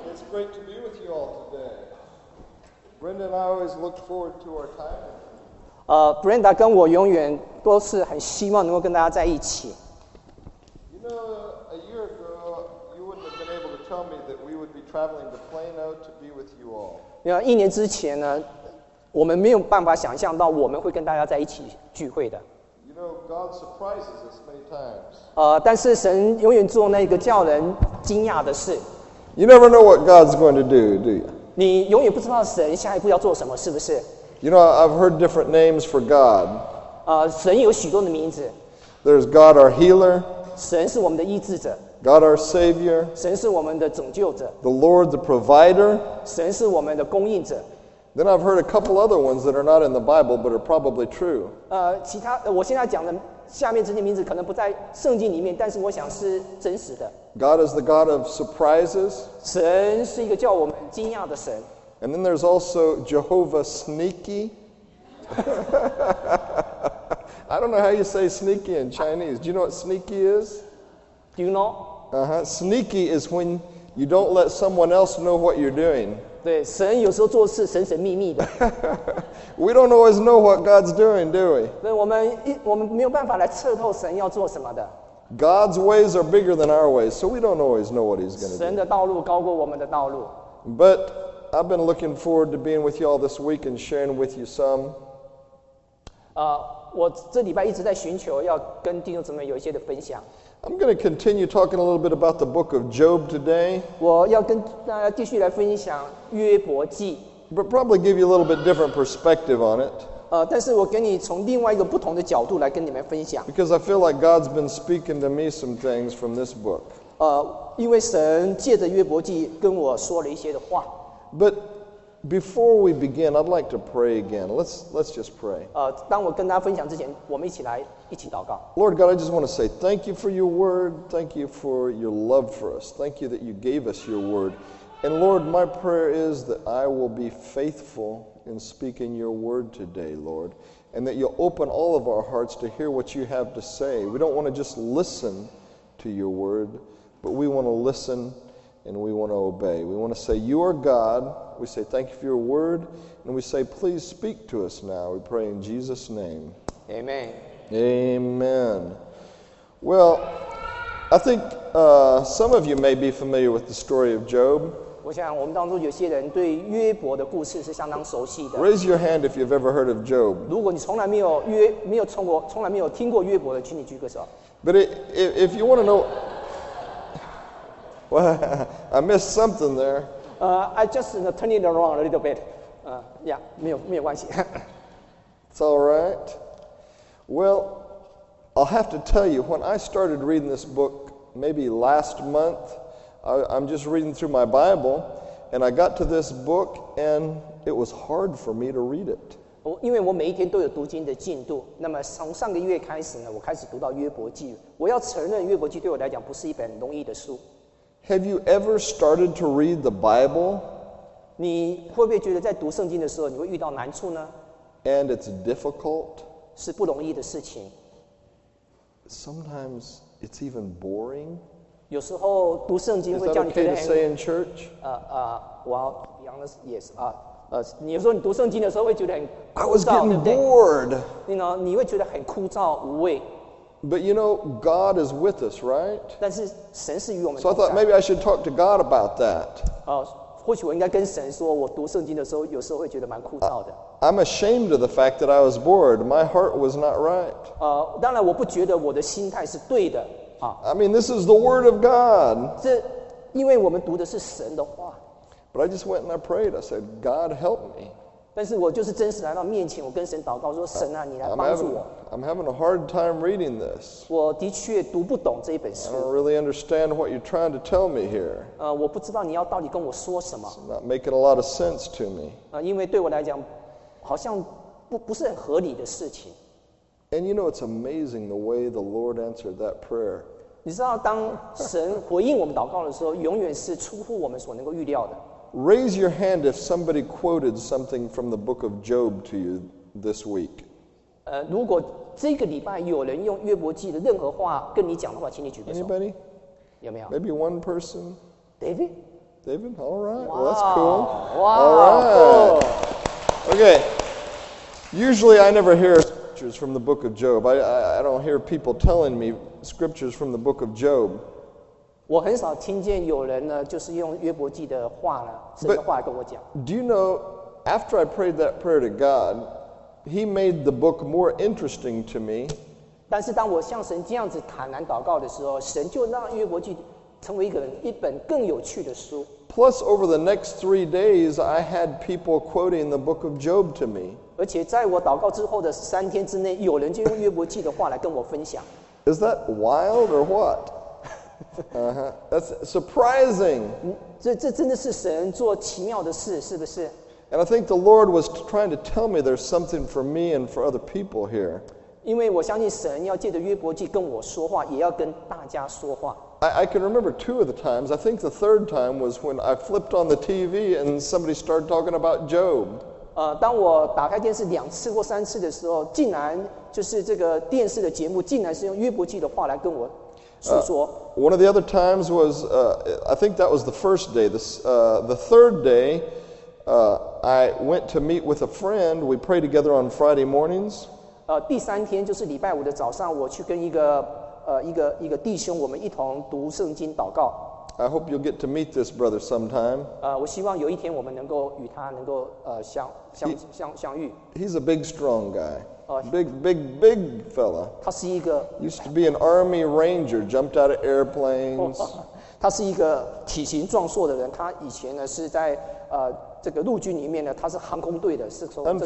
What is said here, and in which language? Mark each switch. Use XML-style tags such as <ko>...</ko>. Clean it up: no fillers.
<en>great to be with you all today. Brenda and I always look forward to our time.</en> <zh>Brenda 跟我永远都是很希望能够跟大家在一起。</zh> <en>You know, a year ago, you wouldn't have been able to tell me that we would be traveling to Plano to be with you all.</en> <zh>你看，一年之前呢，我们没有办法想象到我们会跟大家在一起聚会的。</zh> <en>You know, God surprises us many times.</en> <zh>但是神永远做那个叫人惊讶的事。</zh> <en>You never know what God's going to do, do you?</en> <zh>你永远不知道神下一步要做什么，是不是？</zh> <en>You know, I've heard different names for God.</en> <zh>神有许多的名字。</zh> <en>There's God our healer.</en> <zh>神是我们的医治者。</zh> <en>God our savior.</en> <zh>神是我们的拯救者。</zh> <en>The Lord the provider.</en> <zh>神是我们的供应者。</zh> <en>Then I've heard a couple other ones that are not in the Bible but are probably true.</en> <zh>其他我现在讲的下面这些名字可能不在圣经里面，但是我想是真实的。</zh> <en>God is the God of surprises.</en> <zh>神是一个叫我们惊讶的神。</zh> <en>And then there's also Jehovah Sneaky. I don't know how you say sneaky in Chinese. Do you know what sneaky is? Do you know? Sneaky is when you don't let someone else know what you're doing.</en> <zh>对，神有时候做事神神秘秘的。</zh> <en>We don't always know what God's doing, do we?</en> <zh>对，我们没有办法来测透神要做什么的。</zh> <en>God's ways are bigger than our ways, so we don't always know what he's going to do.</en> <zh>神的道路高过我们的道路。</zh> <en>But I've been looking forward to being with you all this week and sharing with you some.</en> <zh>我这礼拜一直在寻求要跟弟兄姊妹有一些的分享。</zh> <en>I'm going to continue talking a little bit about the book of Job today.</en> <zh>我要跟大家继续来分享约伯记。</zh> <en>But probably give you a little bit different perspective on it.</en> <zh>但是我跟你从另外一个不同的角度来跟你们分享。</zh> <en>Because I feel like God's been speaking to me some things from this book.</en> <zh>因为神借着约伯记跟我说了一些的话。</zh> <en>But before we begin, I'd like to pray again. Let's just pray.</en> <zh>当我跟大家分享之前，我们一起来一起祷告。</zh> <en>Lord God, I just want to say thank you for your word. Thank you for your love for us. Thank you that you gave us your word. And Lord, my prayer is that I will be faithful in speaking your word today, Lord. And that you'll open all of our hearts to hear what you have to say. We don't want to just listen to your word, but we want to listen and we want to obey. We want to say, you are God. We say, thank you for your word. And we say, please speak to us now. We pray in Jesus' name. Amen. Amen. Well, I think some of you may be familiar with the story of Job. 我想我们当中有些人对约伯的故事是相当熟悉的。 Raise your hand if you've ever heard of Job. 如果你从来没有听过约伯的，请你举个手。 But if you want to know... Well, I missed something there. I just turned it around a little bit.</en> <zh>Yeah, 没有关系。</zh> <en>It's all right. Well, I'll have to tell you, when I started reading this book maybe last month, I'm just reading through my Bible, and I got to this book, and it was hard for me to read it.</en> <zh>因为我每一天都有读经的进度，那么从上个月开始呢，我开始读到约伯记。我要承认，约伯记对我来讲不是一本容易的书。</zh> <en>Have you ever started to read the Bible?</en> <zh>你会不会觉得在读圣经的时候你会遇到难处呢？</zh> <en>And it's difficult.</en> <zh>是不容易的事情。</zh> <en>Sometimes it's even boring.</en> <zh>有时候读圣经会叫你觉得很……</zh> <en>Is that okay to say in church? Well, to be honest, yes.</en> <zh>你有时候你读圣经的时候会觉得很枯燥，</zh> <en>I was getting bored.</en> <zh>对不对？</zh> <en>You know,</en> <zh>你会觉得很枯燥无味。</zh> <en>But you know, God is with us, right?</en> <zh>但是神是与我们。</zh> <en>So I thought maybe I should talk to God about that.</en> <zh>或许我应该跟神说，我读圣经的时候，有时候会觉得蛮枯燥的。</zh> <en>I'm ashamed of the fact that I was bored. My heart was not right.</en> <zh>当然我不觉得我的心态是对的。</zh> <en>I mean, this is the word of God.</en> <zh>这因为我们读的是神的话。</zh> <en>But I just went and I prayed. I said, God, help me.</en> <zh>但是我就是真实来到面前，我跟神祷告说：“神啊，你来帮助我。”</zh> <en>I'm having a hard time reading this.</en> <zh>我的确读不懂这一本书。</zh> <en>I don't really understand what you're trying to tell me here.</en> <zh>我不知道你要到底跟我说什么。</zh> <en>It's not making a lot of sense to me.</en> <zh>因为对我来讲，好像不是很合理的事情。</zh> <en>And you know, it's amazing the way the Lord answered that prayer.</en> <zh>你知道，当神回应我们祷告的时候，永远是出乎我们所能够预料的。</zh> <en>Raise your hand if somebody quoted something from the book of Job to you this week.</en> <zh>如果这个礼拜有人用约伯记的任何话跟你讲的话，请你举个手。</zh> <en>Anybody?</en> <zh>有没有？</zh> <en>Maybe one person. David? David? All right. Wow. Well, that's cool. Wow. All right. Cool. Okay. Usually I never hear scriptures from the book of Job. I don't hear people telling me scriptures from the book of Job.</en> <zh>我很少听见有人呢，就是用约伯记的话呢，神的话跟我讲。</zh> <en>Do you know, after I prayed that prayer to God, He made the book more interesting to me.</en> <zh>但是当我向神这样子坦然祷告的时候，神就让约伯记成为一本更有趣的书。</zh> <en>Plus, over the next 3 days, I had people quoting the book of Job to me.</en> <zh>而且在我祷告之后的三天之内，有人就用约伯记的话来跟我分享。</zh> <en>Is that wild or what? Uh-huh. That's surprising.</en> <zh>这真的是神做奇妙的事，是不是？</zh> <en>And I think the Lord was trying to tell me there's something for me and for other people here.</en> <zh>因为我相信神要借着约伯记跟我说话，也要跟大家说话。</zh> <en>I can remember two of the times. I think the third time was when I flipped on the TV and somebody started talking about Job.</en> <zh>当我打开电视两次或三次的时候，竟然就是这个电视的节目竟然是用约伯记的话来跟我。</zh> <en>One of the other times was, I think that was the first day. The third day, I went to meet with a friend. We pray together on Friday mornings.</en> <zh>第三天就是礼拜五的早上，我去跟一个弟兄，我们一同读圣经祷告。</zh> <en>I hope you'll get to meet this brother sometime.</en> <zh>我希望有一天我们能够与他能够相遇。</zh> <en>He's a big, strong guy. Big fella.</en> <zh>他是一个</zh> <en>used to be an army ranger, jumped out of airplanes.</en> <zh>他是一个体型壮硕的人。他以前呢是在这个陆军里面呢，他是航空队的，是说、这个。</zh>